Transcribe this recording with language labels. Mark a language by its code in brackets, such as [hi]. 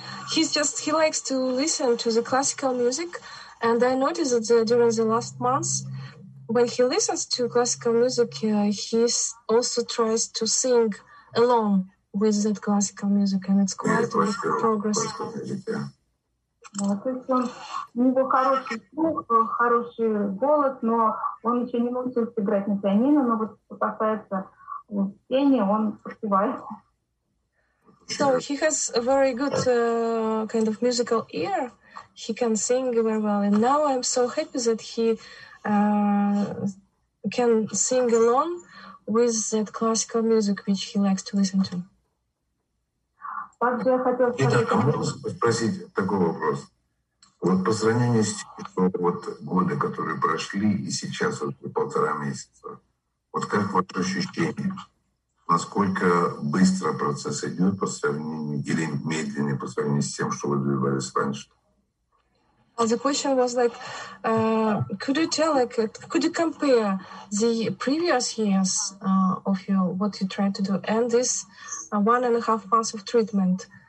[en] He likes to listen to the classical music, and I noticed that during the last months, when he listens to classical music, he also tries to sing along with that classical music, and it's quite a progress. [ru] Вот, то есть он, у него хороший слух, хороший голос, но он еще не научился играть на пианино, но вот что касается пения, он подпевает. [en] So he has a very good kind of musical ear. He can sing very well. And now I'm so happy that he can sing along with that classical music, which he likes to listen to. [ru] Также я хотел спросить такой вопрос. Вот по сравнению с тем, что вот годы, которые прошли, и сейчас уже полтора месяца, вот как ваше ощущение, насколько быстро процесс идет по сравнению, или медленнее по сравнению с тем, что вы добивались раньше? [en] Well, the question was like, could you compare the previous years of your, what you tried to do, and this 1.5 months of treatment?